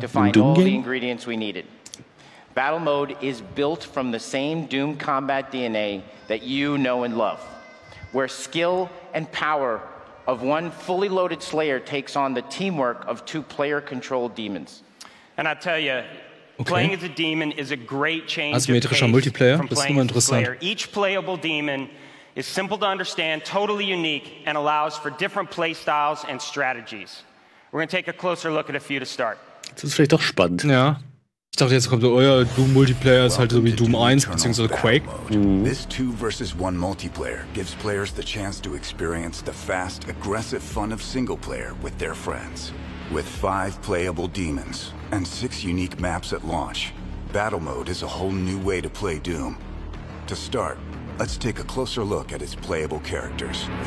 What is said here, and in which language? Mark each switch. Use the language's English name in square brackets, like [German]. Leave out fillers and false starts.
[English] to find all game? The ingredients we needed. Battle Mode is built from the same Doom combat DNA that you know and love, where skill and power of one fully loaded Slayer takes on the teamwork of two player-controlled demons. And I tell you, okay. playing as a demon is a great change [German] asymmetrischer Multiplayer, das ist immer interessant. [English] Player. Each playable demon is simple to understand, totally unique, and allows for different playstyles and strategies. We're going to take a closer look at a few to start. [German] Das ist vielleicht doch spannend. Ja. Ich dachte, jetzt kommt so, euer Doom-Multiplayer ist halt so wie Doom 1 bzw. Quake. [English] This 2 versus 1 Multiplayer gives players the chance to experience the fast, aggressive fun of single player with their friends. With 5 playable demons and 6 unique maps at launch, Battle Mode is a whole new way to play Doom. To start, let's take a closer look at its playable characters.